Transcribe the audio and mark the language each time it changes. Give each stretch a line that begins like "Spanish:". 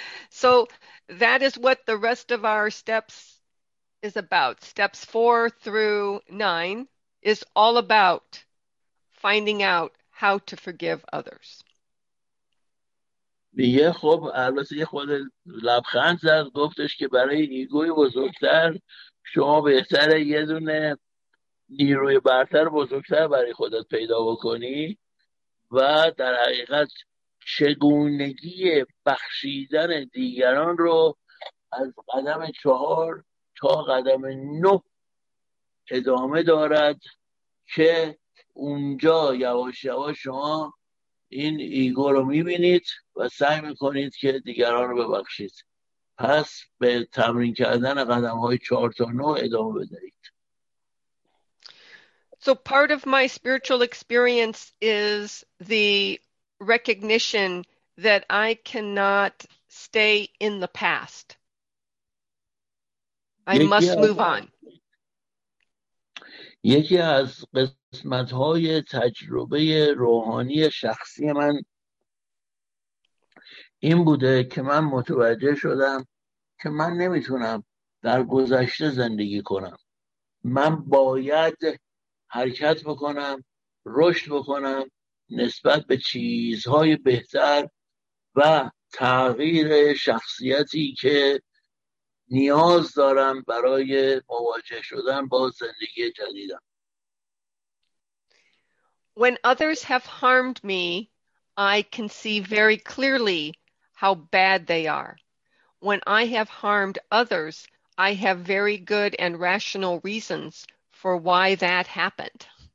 English: So that is what the rest of our steps is about, steps 4 through 9 is all about finding out how to forgive others.
Persian: میگه خب البته یه خود لبخند زد گفتش که برای ایگوی بزرگتر شما بهتره یه دونه نیروی برتر بزرگتر برای خودت پیدا بکنی و در حقیقت چگونگی بخشیدن دیگران رو از قدم 4 تا قدم 9 ادامه دارد که اونجا یواش یواش شما این ایگو رو میبینید و سعی میکنید که دیگران رو ببخشید. پس به تمرین کردن قدم های 4 تا 9 ادامه بدهید.
English: So part of my spiritual experience is the recognition that I cannot stay in the past. I must move on.
Persian: یکی از قسمت های تجربه روحانی شخصی من این بوده که من متوجه شدم که من نمیتونم در گذشته زندگی کنم. من باید حرکت بکنم، رشد بکنم نسبت به چیزهای بهتر و تغییر شخصیتی که نیاز دارم برای مواجه شدن با زندگی جدیدم.
English: When others have harmed me, I can see very clearly how bad they are. When I have harmed others, I have very good and rational reasons for why that happened.